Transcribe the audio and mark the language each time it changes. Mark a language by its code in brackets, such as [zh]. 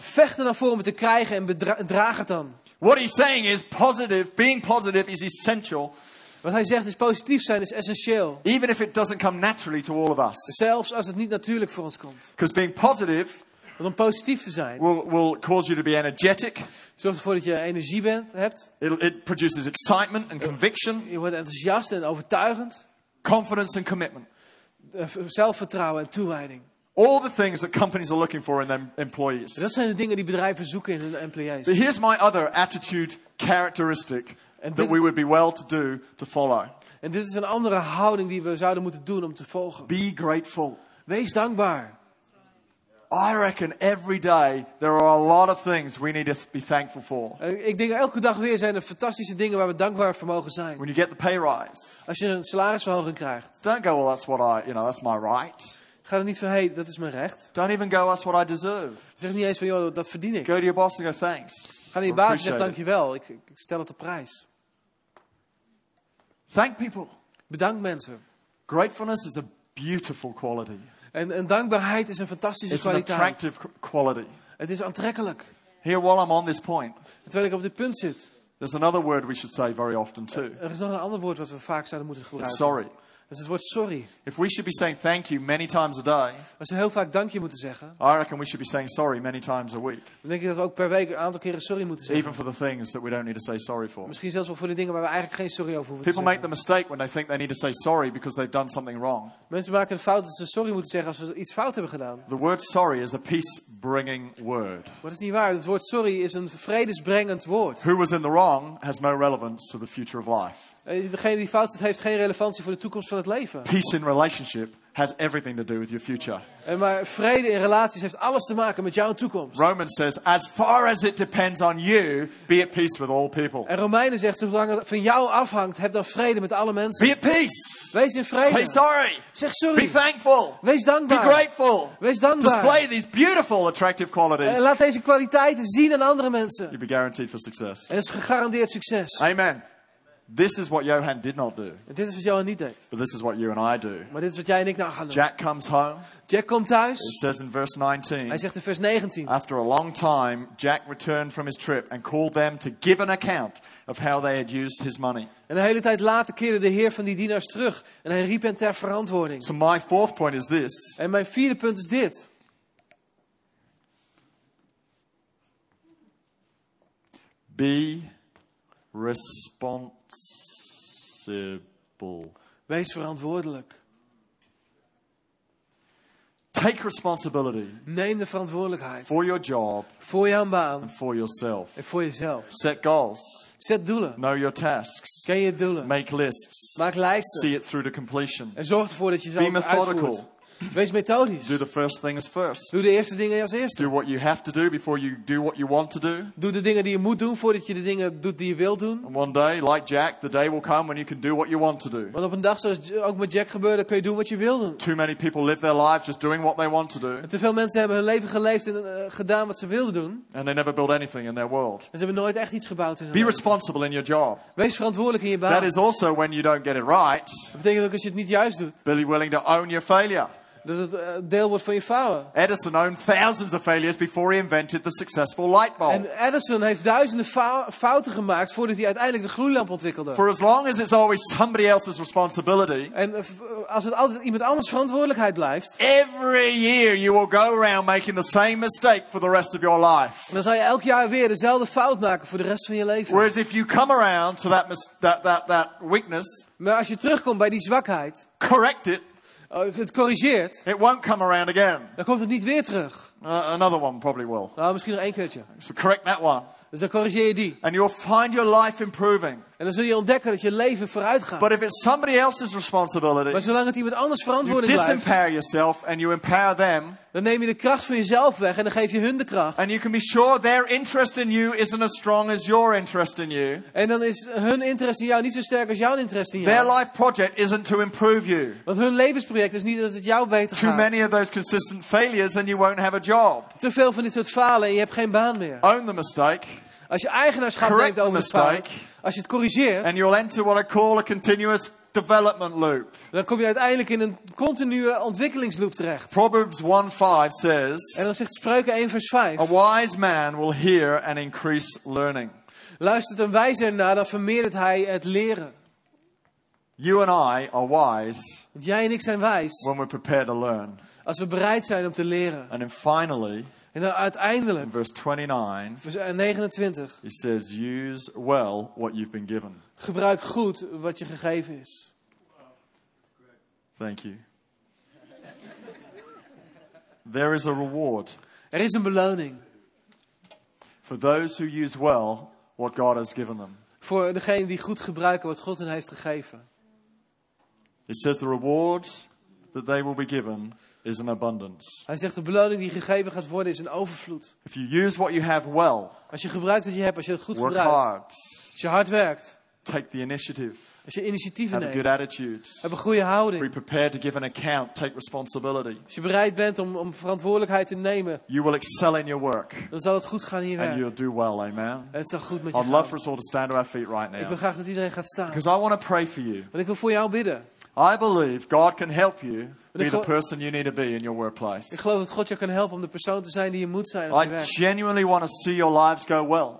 [nl] Vecht er dan voor om het te krijgen en draag het dan. [en] What he's saying is positive, being positive is essential. [nl] Wat hij zegt is positief zijn is essentieel. [en] Even if it doesn't come naturally to all of us. [nl] Zelfs als het niet natuurlijk voor ons komt. [en] Because being positive. [nl] Want om positief te zijn. [en] Will cause you to be energetic. [nl] Zorgt ervoor dat je energie bent, hebt. [en] It produces excitement and conviction. [nl] Je wordt enthousiast en overtuigend. [en] Confidence and commitment. [nl] Zelfvertrouwen en toewijding. [en] All the things that companies are looking for in their employees. [nl] Dat zijn de dingen die bedrijven zoeken in hun employees. [en] But here's my other attitude characteristic that we would be well to do to follow. [nl] En dit is een andere houding die we zouden moeten doen om te volgen. [en] Be grateful. [nl] Wees dankbaar. [en] I reckon every day there are a lot of things we need to be thankful for. [nl] Ik denk elke dag weer zijn er fantastische dingen waar we dankbaar voor mogen zijn. [en] When you get the pay rise. [nl] Als je een salarisverhoging krijgt. [en] Don't go, well, that's what I, you know, that's my right. [nl] Ga er niet van, hey, dat is mijn recht. [en] Don't even go, that's what I deserve. [nl] Zeg niet eens van, joh, dat verdien ik. [en] Go to your boss and go, thanks. [nl] Ga naar je baas en zeg, dankjewel, ik stel het op prijs. [en] Thank people. [nl] Bedank mensen. [en] Gratefulness is a beautiful quality. [nl] En dankbaarheid is een fantastische [en] It's [nl] kwaliteit. [en] An attractive quality. [nl] Het is aantrekkelijk. [en] Here, while I'm on this point, [nl] terwijl ik op dit punt zit. [en] There's another word we should say very often too. [nl] Er is nog een ander woord wat we vaak zouden moeten gebruiken. [en] It's sorry. [nl] Dat is het woord sorry. [en] If we should be saying thank you many times a day. [nl] Als we heel vaak dankje moeten zeggen. [en] I reckon we should be saying sorry many times a week. [nl] Dan denk ik dat we ook per week een aantal keren sorry moeten zeggen. [en] Even for the things that we don't need to say sorry for. [nl] Misschien zelfs wel voor de dingen waar we eigenlijk geen sorry over hoeven te zeggen. [en] People make the mistake when they think they need to say sorry because they've done something wrong. [nl] Mensen maken de fout dat ze sorry moeten zeggen als ze iets fout hebben gedaan. [en] The word sorry is a peace-bringing word. [nl] Wat is niet waar? Het woord sorry is een vredesbrengend woord. [en] Who was in the wrong has no relevance to the future of life. [nl] Degene die fout zit heeft geen relevantie voor de toekomst van het leven. [en] Peace in relationship has everything to do with your future. [nl] En maar vrede in relaties heeft alles te maken met jouw toekomst. [en] Romans says, as far as it depends on you, be at peace with all people. [nl] En Romeinen zegt, zolang het van jou afhangt, heb dan vrede met alle mensen. [en] Be at peace. [nl] Wees in vrede. [en] Say sorry. [nl] Zeg sorry. [en] Be thankful. [nl] Wees dankbaar. [en] Be grateful. [nl] Wees dankbaar. [en] Display these beautiful, attractive qualities. [nl] En laat deze kwaliteiten zien aan andere mensen. [en] You'll be guaranteed for success. [nl] En is gegarandeerd succes. [en] Amen. This is what Johan did not do. [nl] Dit is wat Johan niet deed. [en] But this is what you and I do. [nl] Maar dit is wat jij en ik nou gaan doen. [en] Jack comes home. [nl] Jack komt thuis. [en] It says in verse 19. [nl] Hij zegt in vers 19. [en] After a long time, Jack returned from his trip and called them to give an account of how they had used his money. [nl] En een hele tijd later keerde de heer van die dienaars terug en hij riep hen ter verantwoording. [en] So my fourth point is this. [nl] En mijn vierde punt is dit. [en] Be responsible. [nl] Wees verantwoordelijk. [en] Take responsibility. [nl] Neem de verantwoordelijkheid. [en] For your job. [nl] Voor jouw baan. [en] And for yourself. [nl] En voor jezelf. [en] Set goals. [nl] Zet doelen. [en] Know your tasks. [nl] Ken je doelen. [en] Make lists. [nl] Maak lijsten. [en] See it through to completion. [nl] En zorg ervoor dat je ze uitvoert. Wees methodisch. [en] Do the first thing as first. [nl] Doe de eerste dingen als eerste. [en] Do what you have to do before you do what you want to do. [nl] Doe de dingen die je moet doen voordat je de dingen doet die je wil doen. [en] And one day, like Jack, the day will come when you can do what you want to do. [nl] Want op een dag zoals ook met Jack gebeurde, kun je doen wat je wil doen. [en] Too many people live their lives just doing what they want to do. [nl] Te veel mensen hebben hun leven geleefd en gedaan wat ze wilden doen. [en] And they never build anything in their world. [nl] En ze hebben nooit echt iets gebouwd in hun [en] Be [nl] leven. [en] Responsible in your job. [nl] Wees verantwoordelijk in je baan. [en] That is also when you don't get it right. [nl] Dat betekent ook als je het niet juist doet. [en] Be willing to own your failure. [nl] Dat het deel wordt van je falen. [en] Edison owned thousands of failures before he invented the successful light bulb. [nl] En Edison heeft duizenden fouten gemaakt voordat hij uiteindelijk de gloeilamp ontwikkelde. [en] For as long as it's always somebody else's responsibility. [nl] En als het altijd iemand anders verantwoordelijkheid blijft. [en] Every year you will go around making the same mistake for the rest of your life. [nl] Dan zal je elk jaar weer dezelfde fout maken voor de rest van je leven. [en] Whereas if you come around to that weakness. [nl] Maar als je terugkomt bij die zwakheid. [en] Correct it. [nl] Het corrigeert. [en] It won't come around again. [nl] Dan komt het niet weer terug. [en] Another one probably will. [nl] Nou, misschien nog één keertje. [en] So correct that one. [nl] Dus dan corrigeer je die. [en] And you'll find your life improving. [nl] En dan zul je ontdekken dat je leven vooruit gaat. [en] But if it's somebody else's responsibility, [nl] maar zolang het iemand anders verantwoordelijk blijft. [en] You disempower yourself and you empower them. [nl] Dan neem je de kracht van jezelf weg en dan geef je hun de kracht. [en] And you can be sure their interest in you isn't as strong as your interest in you. [nl] En dan is hun interesse in jou niet zo sterk als jouw interesse in jou. [en] Their life project isn't to improve you. [nl] Want hun levensproject is niet dat het jou beter gaat. [en] Too many of those consistent failures and you won't have a job. [nl] Te veel van dit soort falen en je hebt geen baan meer. [en] Own the mistake. [nl] Als je eigenaarschap neemt over de fout, als je het corrigeert, [en] and you'll enter what I call a continuous development loop. [nl] Dan kom je uiteindelijk in een continue ontwikkelingsloop terecht. [en] Proverbs 1:5 says. [nl] En dan zegt Spreuken 1 vers 5. [en] A wise man will hear and increase learning. [nl] Luistert een wijze ernaar, dan vermeerdert hij het leren. [en] You and I are wise. [nl] Jij en ik zijn wijs. [en] When we prepare to learn. [nl] Als we bereid zijn om te leren. [en] And then finally. [nl] En dan uiteindelijk. [en] In verse 29. [nl] Vers 29. [en] He says, use well what you've been given. [nl] Gebruik goed wat je gegeven is. [en] Thank you. There is a reward. [nl] Er is een beloning. [en] For those who use well what God has given them. [nl] Voor degenen die goed gebruiken wat God hen heeft gegeven. [en] He says the reward that they will be given is an abundance. [nl] Hij zegt de beloning die gegeven gaat worden is een overvloed. [en] If you use what you have well. [nl] Als je gebruikt wat je hebt, als je het goed [en] work [nl] gebruikt. [en] Work hard. [nl] Als je hard werkt. [en] Take the initiative. [nl] Als je initiatief neemt. [en] Have a good attitude. [nl] Heb een goede houding. [en] Be prepared to give an account, take responsibility. [nl] Als je bereid bent om verantwoordelijkheid te nemen. [en] You will excel in your work. [nl] Dan zal het goed gaan in je [en] and [nl] werk. [en] And you'll do well, amen. [nl] En het zal goed met [en] I'd [nl] je gaan. [en] I'd love for us all to stand to our feet right now. [nl] Ik wil graag dat iedereen gaat staan. [en] Because I want to pray for you. [nl] Want ik wil voor jou bidden. [en] I believe God can help you be the person you need to be in your workplace. [nl] Ik geloof dat God je kan helpen om de persoon te zijn die je moet zijn op je werk. [en] I genuinely want to see your lives go well.